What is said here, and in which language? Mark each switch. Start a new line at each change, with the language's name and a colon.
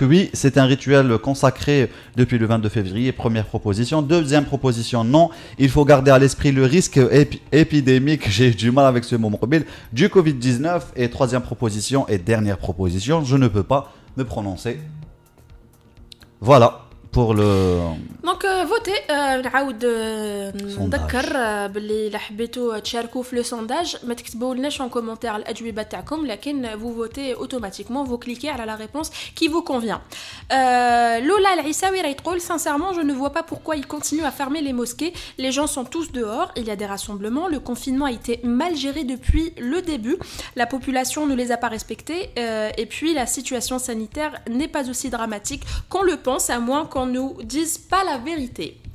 French: Oui, c'est un rituel consacré depuis le 22 février. Première proposition, deuxième proposition, non. Il faut garder à l'esprit le risque épidémique, j'ai du mal avec ce mot qu'bil, du Covid-19. Et troisième proposition et dernière proposition, je ne peux pas me prononcer. Voilà pour le. Donc votez.
Arabic: نعاود نذكر باللي لحبيتو تشاركو في لو سونداج ما تكتبولناش
French: en commentaire
Arabic: l'ajouba تاعكم لكن
French: vous votez automatiquement vous cliquez على la réponse qui vous convient. Lola Al-Issaoui
Arabic: راهي تقول
French: sincèrement je ne vois pas pourquoi ils continuent à fermer les mosquées. Les gens sont tous dehors, il y a des rassemblements, le confinement a été mal géré depuis le début. La population ne les a pas respectés et puis la situation sanitaire n'est pas aussi dramatique qu'on le pense à moins qu'on nous dise pas la vérité.